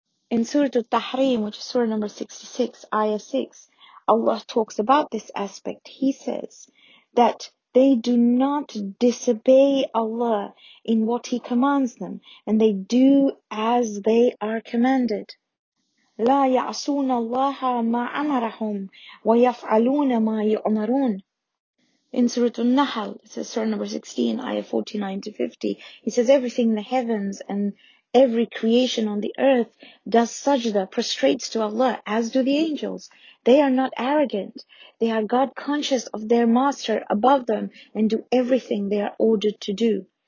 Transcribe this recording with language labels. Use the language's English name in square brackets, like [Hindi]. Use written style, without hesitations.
[English] In Surah Al-Tahrim, which is Surah number 66, Ayah 6, Allah talks about this aspect. He says that they do not disobey Allah in what He commands them, and they do as they are commanded. [Arabic] لا يعصون الله ما أمرهم ويفعلون ما يؤمرون. [English] In Surah An-Nahl, it's Surah number 16, Ayah 49-50, it says everything in the heavens and every creation on the earth does sajda, prostrates to Allah, as do the angels. They are not arrogant. They are God conscious of their master above them and do everything they are ordered to do.